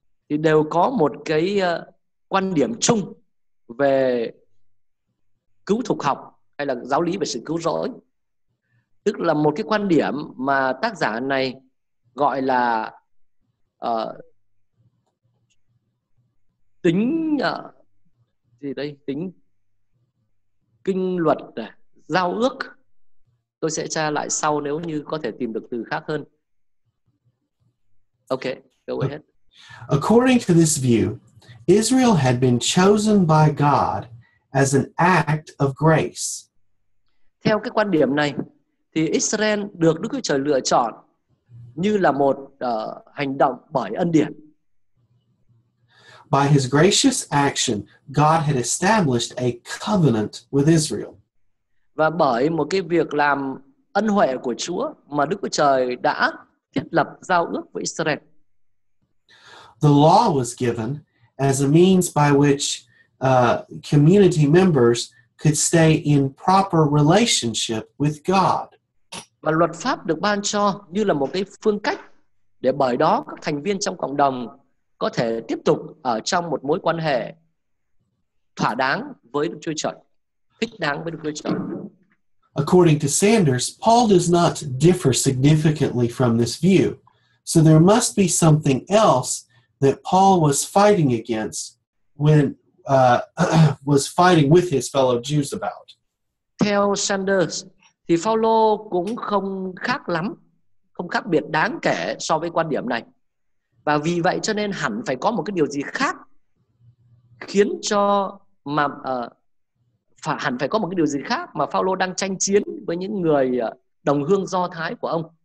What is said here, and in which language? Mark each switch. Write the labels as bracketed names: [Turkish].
[Vietnamese] thì đều có một cái quan điểm chung về cứu thục học hay là giáo lý về sự cứu rỗi, tức là một cái quan điểm mà tác giả này gọi là tính kinh luật giao ước. Tôi sẽ tra lại sau nếu như có thể tìm được từ khác hơn. [English] Okay, go ahead. According to this view, Israel had been chosen by God as an act of grace. [Vietnamese] Theo cái quan điểm này, thì Israel được Đức Chúa Trời lựa chọn như là một hành động bởi ân điển. [English] By his gracious action, God had established a covenant with Israel. [Vietnamese] Và bởi một cái việc làm ân huệ của Chúa mà Đức Chúa Trời đã thiết lập giao ước với Israel. [English] The law was given as a means by which community members could stay in proper relationship with God. [Vietnamese] Và luật pháp được ban cho như là một cái phương cách để bởi đó các thành viên trong cộng đồng có thể tiếp tục ở trong một mối quan hệ thỏa đáng với Đức Chúa Trời, thích đáng với Đức Chúa Trời. [English] According to Sanders, Paul does not differ significantly from this view. So there must be something else that Paul was fighting against when was fighting with his fellow Jews about. [Vietnamese] Theo Sanders thì Paulo cũng không khác lắm, không khác biệt đáng kể so với quan điểm này. Và vì vậy cho nên hẳn phải có một cái điều gì khác khiến cho mà hẳn phải có một cái điều gì khác mà Phao-lô đang tranh chiến với những người đồng hương Do Thái của ông.